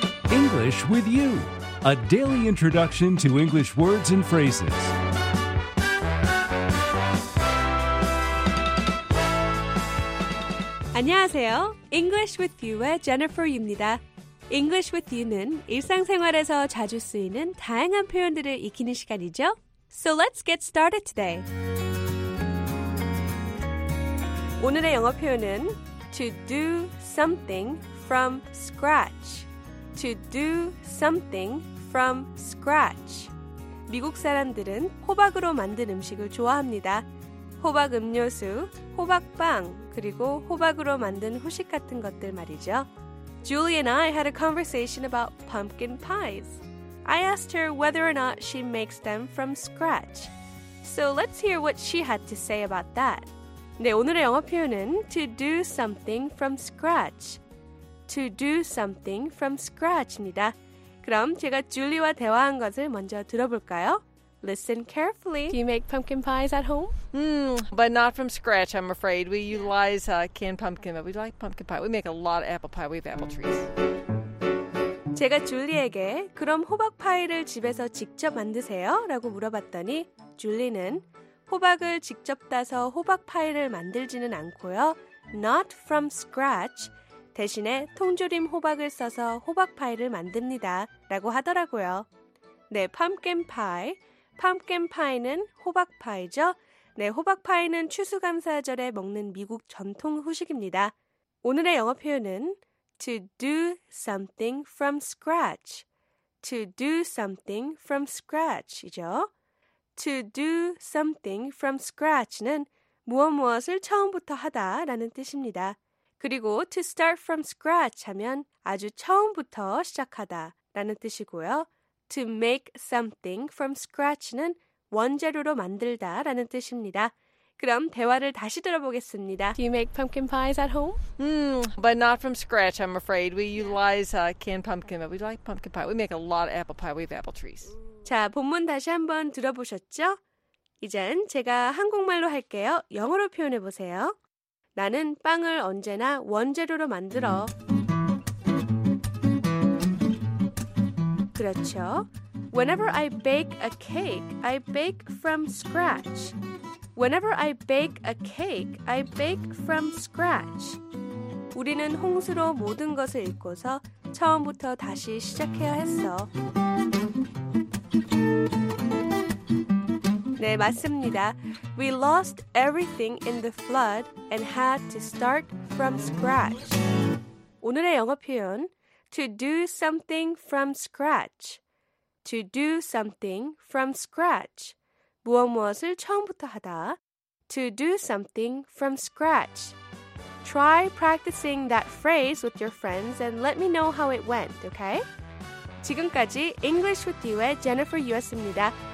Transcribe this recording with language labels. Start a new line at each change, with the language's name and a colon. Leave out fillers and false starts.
English: English with you, a daily introduction to English words and phrases.
Korean: 안녕하세요. English with you의 Jennifer입니다. English with you는 일상생활에서 자주 쓰이는 다양한 표현들을 익히는 시간이죠.
English: So let's get started today.
Korean: 오늘의 영어 표현은
English: to do something from scratch. To do something from scratch.
Korean: 미국 사람들은 호박으로 만든 음식을 좋아합니다. 호박 음료수, 호박빵, 그리고 호박으로 만든 후식 같은 것들 말이죠.
English: Julie and I had a conversation about pumpkin pies. I asked her whether or not she makes them from scratch. So let's hear what she had to say about that.
Korean: 네, 오늘의 영어 표현은
English: to do something from scratch. To do something from scratch입니다.
Korean: 그럼 제가 줄리와 대화한 것을 먼저 들어볼까요?
English: Listen carefully. Do you make pumpkin pies at home? But not from scratch, I'm afraid. We utilize canned pumpkin, but we like pumpkin pie. We make a lot of apple pie. We have apple trees.
Korean: 제가 줄리에게 그럼 호박 파이를 집에서 직접 만드세요? 라고 물어봤더니 줄리는 호박을 직접 따서 호박 파이를 만들지는 않고요.
English: Not from scratch.
Korean: 대신에 통조림 호박을 써서 호박 파이를 만듭니다. 라고 하더라고요. 네, 펌킨 파이. 펌킨 파이는 호박 파이죠. 네, 호박 파이는 추수감사절에 먹는 미국 전통 후식입니다. 오늘의 영어 표현은
English: to do something from scratch. To do something from scratch이죠. To do something from scratch
Korean: 는 무엇무엇을 처음부터 하다 라는 뜻입니다. 그리고
English: to start from scratch
Korean: 하면 아주 처음부터 시작하다 라는 뜻이고요.
English: To make something from scratch
Korean: 는 원재료로 만들다 라는 뜻입니다. 그럼 대화를 다시 들어보겠습니다.
English: Do you make pumpkin pies at home? But not from scratch, I'm afraid. We utilize canned pumpkin, but we like pumpkin pie. We make a lot of apple pie. We have apple trees.
Korean: 자, 본문 다시 한번 들어보셨죠? 이젠 제가 한국말로 할게요. 영어로 표현해 보세요. 나는 빵을 언제나 원재료로 만들어. 그렇죠.
English: Whenever I bake a cake, I bake from scratch. Whenever I bake a cake, I bake from scratch.
Korean: 우리는 홍수로 모든 것을 잊고서 처음부터 다시 시작해야 했어. 네, 맞습니다.
English: We lost everything in the flood and had to start from scratch.
Korean: 오늘의 영어 표현,
English: to do something from scratch. To do something from scratch.
Korean: 무엇무엇을 처음부터 하다.
English: To do something from scratch. Try practicing that phrase with your friends and let me know how it went, okay?
Korean: 지금까지 English with You의 Jennifer Yu였습니다.